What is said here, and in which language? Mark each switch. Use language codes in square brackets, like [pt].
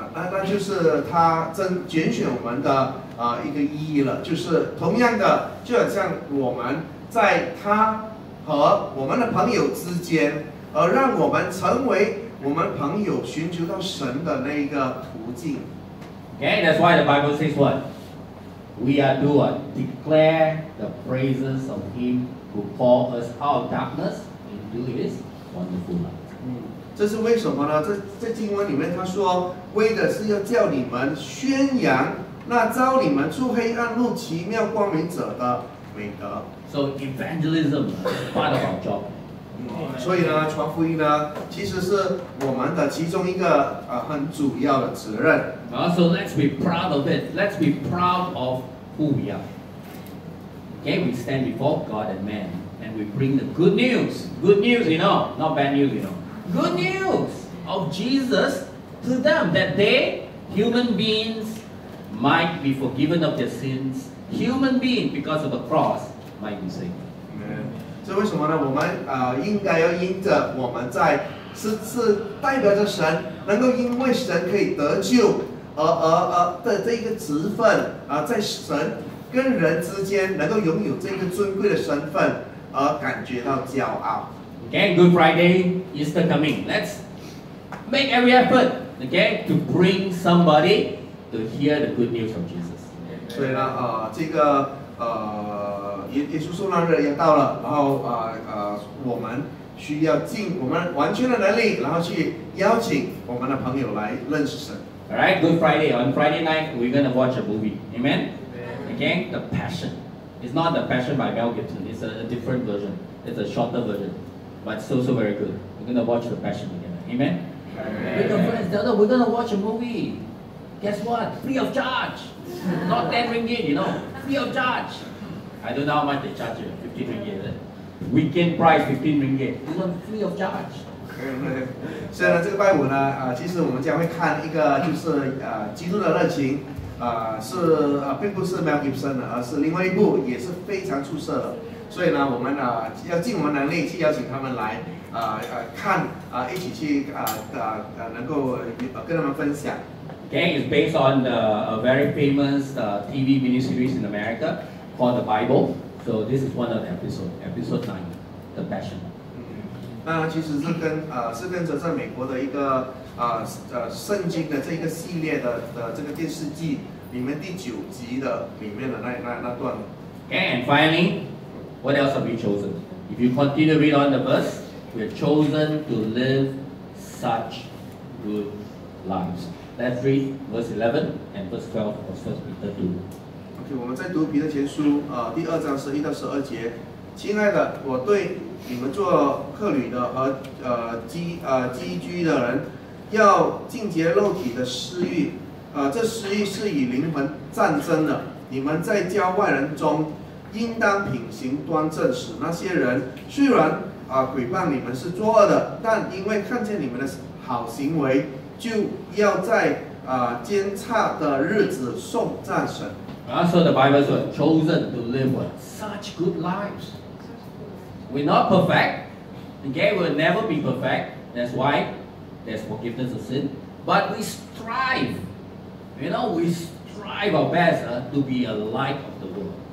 [zh] 那就是他拣选我们的一个意义了，就是同样的，就好像我们在他和我们的朋友之间，而让我们成为我们朋友寻求到神的那一个途径。 [en] Okay, that's why the Bible says what? We are to declare the praises of Him who called us out of darkness into His wonderful light. [zh] 这是为什么呢？在经文里面他说，为的是要叫你们宣扬那召你们出黑暗入奇妙光明者的美德。 [en] So evangelism is part of our job. [zh] 所以呢，传福音呢，其实是我们的其中一个很主要的责任。 [en] So let's be proud of it. Let's be proud of who we are. Okay, we stand before God and man, and we bring the good news. Good news, you know, not bad news, you know. Good news of Jesus to them, that they, human beings, might be forgiven of their sins. Human beings, because of the cross, might be saved. [zh] 所以为什么呢？我们应该要因着我们在是代表着神，能够因为神可以得救的这个职分在神跟人之间能够拥有这个尊贵的身份而感觉到骄傲。 [en] Okay, Good Friday, Easter coming. Let's make every effort, okay, to bring somebody to hear the good news of Jesus. [zh] 所以呢，这个耶稣受难日也到了，然后我们需要尽我们完全的能力，然后去邀请我们的朋友来认识神。 [en] All right, Good Friday. On Friday night, we're gonna watch a movie. Amen. Again, The Passion. It's not The Passion by Mel Gibson. It's a different version. It's a shorter version. But it's also very good. We're going to watch The Passion together. Amen? Amen. With your friends, no, we're going to watch a movie. Guess what? Free of charge. Not 10 ringgit, you know. Free of charge. I don't know how much they charge you. 15 ringgit. Weekend price, 15 ringgit. You know, free of charge. [zh] 所以呢，这个拜五呢，其实我们将会看一个就是基督的热情，是并不是 Mel Gibson 的，而是另外一部也是非常出色的。所以呢，我们要尽我们能力去邀请他们来，看一起去能够跟他们分享。 [en] Okay, it's based on a very famous TV miniseries in America called The Bible. So this is one of the episode 9, The Passion. [zh] 那其实是跟着在美国的一个圣经的这个系列的这个电视剧里面第九集的里面的那段。 [en] Okay, and finally. What else have we chosen? If you continue to read on the verse, we are chosen to live such good lives. Let's read verse 11 and verse 12 of 1 Peter 2. [zh] Okay, 我们在读彼得前书第二章十一到十二节。亲爱的，我对你们做客旅的和寄居的人，要禁绝肉体的私欲。这私欲是与灵魂战争的。你们在教外人中。应当品行端正，使那些人虽然诽谤你们是作恶的，但因为看见你们的好行为，就要在监察的日子颂赞神。 [en] So the Bible says, chosen to live such good lives. We're not perfect. Okay, we'll never be perfect. That's why there's forgiveness of sin. But we strive. You know, we strive our best to be a light of the world.